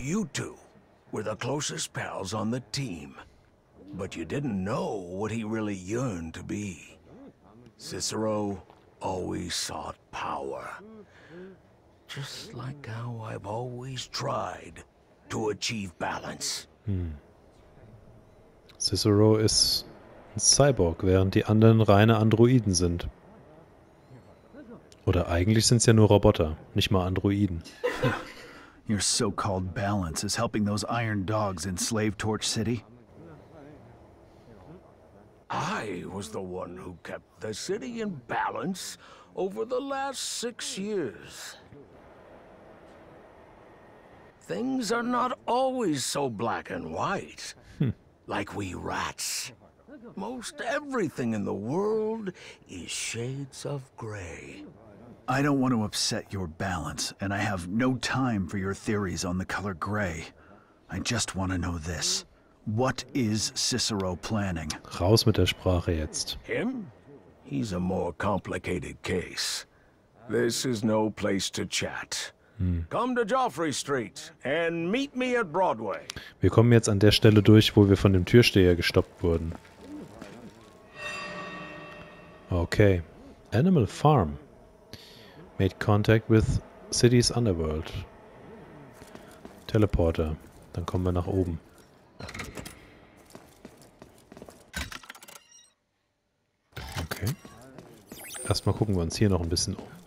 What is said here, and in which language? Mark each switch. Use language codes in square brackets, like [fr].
[en] You two were the closest pals on the team, but you didn't know what he really yearned to be. Cicero always sought power, just like how I've always tried to achieve balance. Hm. [de] Cicero ist ein Cyborg, während die anderen reine Androiden sind. Oder eigentlich sind es ja nur Roboter, nicht mal Androiden. [en] Your so-called balance is helping those iron dogs in Slave Torch City? I was the one who kept the city in balance over the last 6 years. Things are not always so black and white, like we rats. Most everything in the world is shades of gray. I don't want to upset your balance, and I have no time for your theories on the color gray. I just want to know this. What is Cicero planning? [de] Raus mit der Sprache jetzt. [en] Him? He's a more complicated case. This is no place to chat. Come to Joffrey Street and meet me at Broadway. [de] Wir kommen jetzt an der Stelle durch, wo wir von dem Türsteher gestoppt wurden. [en] Okay. Animal Farm. Made contact with City's Underworld. Teleporter. [de] Dann kommen wir nach oben. Okay. Erstmal gucken wir uns hier noch ein bisschen um.